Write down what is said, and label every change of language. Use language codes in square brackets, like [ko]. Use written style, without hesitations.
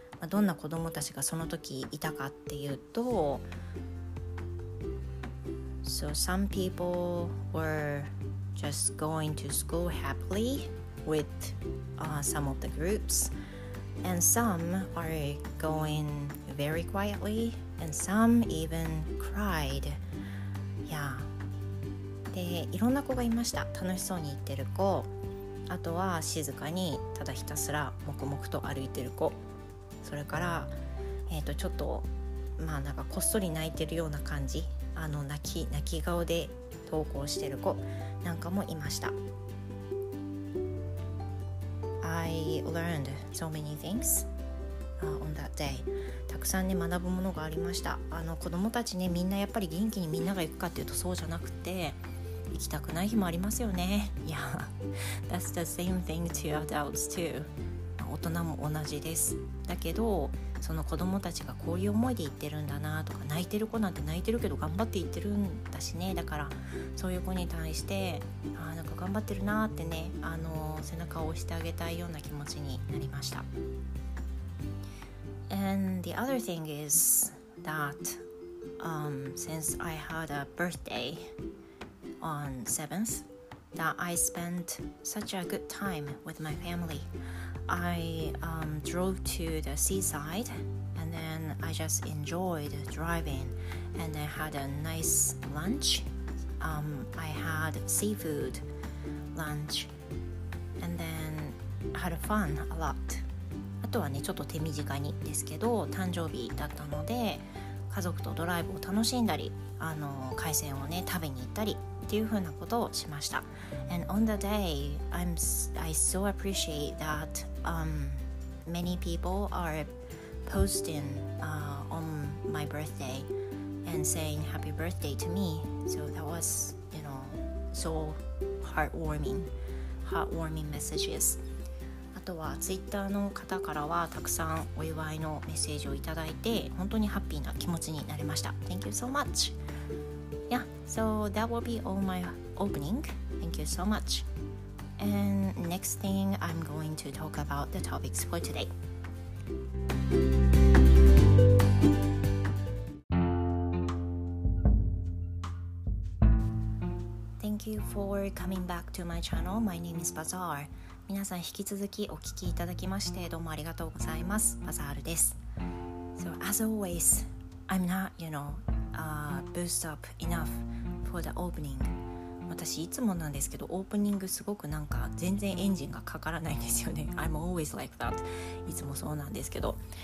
[ja] どんな子供たちがその時いたかっていうと、 [en] So some people were just going to school happily with some of the groups, and some are going very quietly, and some even cried. Yeah. [ja] で、いろんな子がいました。楽しそうに行ってる子、あとは静かにただひたすら黙々と歩いてる子、それから、ちょっとまあなんかこっそり泣いてるような感じ、泣き顔で登校してる子なんかもいました。 [en] I learned so many things on that day。 [ja] たくさんね学ぶものがありました。子供たちね、みんなやっぱり元気にみんなが行くかっていうとそうじゃなくて、行きたくない日もありますよね。 [en] Yeah, that's the same thing to adults too. [ja] 大人も同じです。だけど、その子供たちがこういう思いで行ってるんだなとか、泣いてる子なんて泣いてるけど頑張って行ってるんだしね。だからそういう子に対して、なんか頑張ってるなってね、背中を押してあげたいような気持ちになりました。 [en] And the other thing is that, since I had a birthday,on 7th, that I spent such a good time with my family. I drove to the seaside, and then I just enjoyed driving, and I had a nice lunch. I had seafood lunch, and then had fun a lot. [ja] あとはね、ちょっと手短にですけど、誕生日だったので、家族とドライブを楽しんだり、海鮮をね、食べに行ったり、っていうふうなことをしました。 [en] And on the day, I so appreciate that many people are posting on my birthday and saying happy birthday to me. So that was, you know, so heartwarming messages. [ja] あとは Twitter の方からはたくさんお祝いのメッセージをいただいて、本当にハッピーな気持ちになりました。 [en] Thank you so much! Yeah, so that will be all my opening. Thank you so much. And next thing, I'm going to talk about the topics for today. Thank you for coming back to my channel. My name is Bazaar. [ja] 皆さん引き続きお聞きいただきましてどうもありがとうございます。 Bazaar です。 [en] So as always, I'm not, you know,boost up enough for the opening. [ja] 私いつもなんですけど、オープニングすごくなんか全然エンジンがかからないんですよね。 [en] I'm always like that. [ja] いつもそうなんですけど。